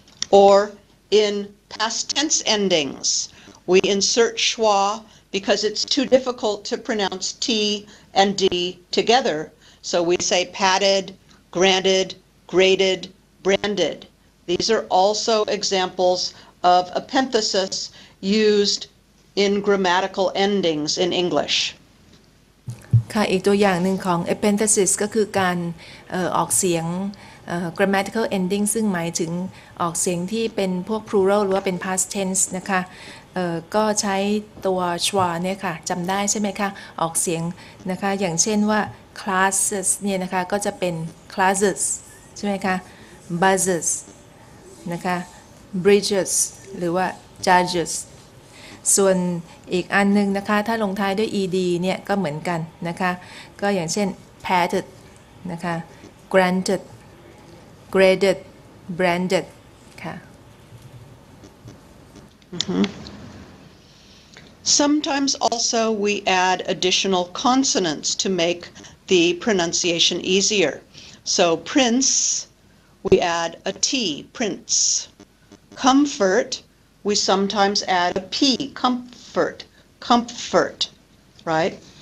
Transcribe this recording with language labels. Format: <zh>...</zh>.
<en>Or in past tense endings, we insert schwa because it's too difficult to pronounce T and D together. So we say padded, granted, graded, branded. These are also examples of epenthesis used in grammatical endings in English.</en> <th>ค่ะอีกตัวอย่างหนึ่งของ epenthesis ก็คือการออกเสียง grammatical ending ซึ่งหมายถึงออกเสียงที่เป็นพวก plural หรือว่าเป็น past tense นะคะก็ใช้ตัว schwa เนี่ยค่ะจำได้ใช่ไหมคะออกเสียงนะคะอย่างเช่นว่า classes เนี่ยนะคะก็จะเป็น classes ใช่ไหมคะ buzzes นะคะ bridges หรือว่า judges ส่วนอีกอันนึงนะคะถ้าลงท้ายด้วย ed เนี่ยก็เหมือนกันนะคะก็อย่างเช่น padded นะคะ</th> <en>granted graded branded</en> <th>ค่ะ</th> <en>Sometimes also we add additional consonants to make the pronunciation easier. So prince, we add a T, prince. Comfort, we sometimes add a P, comfort, comfort, right?</en>